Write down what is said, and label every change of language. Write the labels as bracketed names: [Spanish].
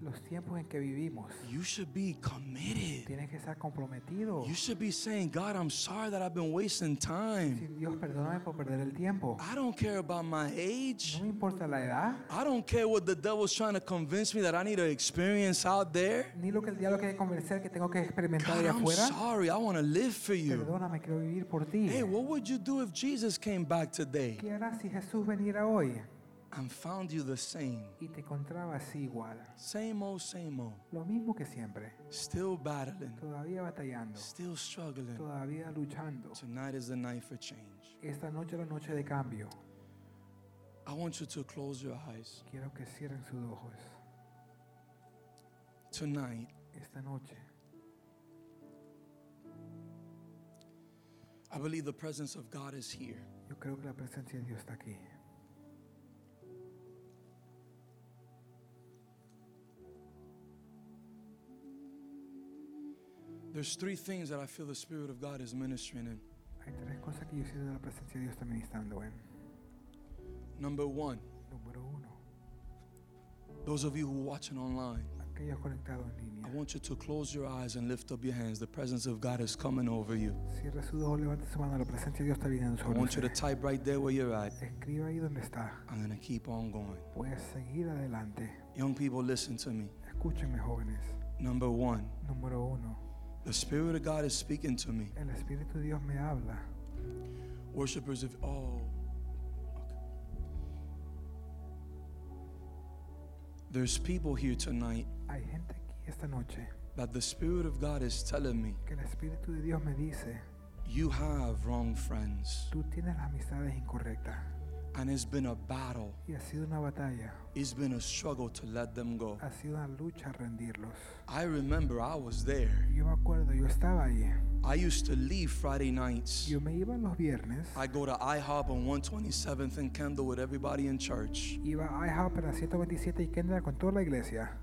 [Spanish] Los tiempos en que vivimos. [English] You should be committed. [Spanish] Tienes que estar comprometido. [English] You should be saying, God, I'm sorry that I've been wasting time. [Spanish] Sí, Dios, perdóname por perder el tiempo. [English] I don't care about my age. [Spanish] No me importa la edad. [English] I don't care what the devil's trying to convince me that I need to experience out there. [Spanish] Ni lo que el diablo quiere convencer que tengo que experimentar allá afuera. [English] I'm sorry, I want to live for you. [Spanish] Perdóname, quiero vivir por ti. [English] Hey, what would you do if Jesus came back today? [Spanish] ¿Qué harás si Jesús viniera hoy? [English] And found you the same. [Spanish] Y te encontrabas igual. [English] Same old, same old. [Spanish] Lo mismo que siempre. [English] Still battling. [Spanish] Todavía batallando. [English] Still struggling. [Spanish] Todavía luchando. [English] Tonight is the night for change. [Spanish] Esta noche es la noche de cambio. [English] I want you to close your eyes. [Spanish] Quiero que cierren sus ojos. [English] Tonight. [Spanish] Esta noche. [English] I believe the presence of God is here. [Spanish] Yo creo que la presencia de Dios está aquí. [English] There's three things that I feel the Spirit of God is ministering in. [Spanish] Hay tres cosas que yo siento la presencia de Dios está ministrando en. [English] Number one. [Spanish] Número uno. [English] Those of you who are watching online. [Spanish] Aquellos conectados en línea. [English] I want you to close your eyes and lift up your hands. The presence of God is coming over you. [Spanish] Cierra sus ojos, levante su mano. La presencia de Dios está viniendo sobre usted. [English] I want you to type right there where you're at. [Spanish] Escriba ahí donde está. [English] I'm going to keep on going. [Spanish] Voy a seguir adelante. [English] Young people, listen to me. [Spanish] Escúchenme, jóvenes. [English] Number one. [Spanish] Número uno. [English] The Spirit of God is speaking to me. [Spanish] El Espíritu Dios me habla. [English] Worshippers, if okay. There's people here tonight. [Spanish] Hay gente aquí esta noche. [English] That the Spirit of God is telling me. [Spanish] Que el Espíritu de Dios me dice. [English] You have wrong friends. [Spanish] Tú tienes las amistades incorrectas. [English] And it's been a battle. [Spanish] Y ha sido una batalla. [English] It's been a struggle to let them go. [Spanish] Ha sido una lucha rendirlos. [English] I remember I was there. [Spanish] Yo me acuerdo, yo estaba ahí. [English] I used to leave Friday nights. [Spanish] Yo me iba los viernes. [English] I go to IHOP on 127th and Kendall with everybody in church. [Spanish] Iba a IHOP en la 127 y Kendall con toda la iglesia.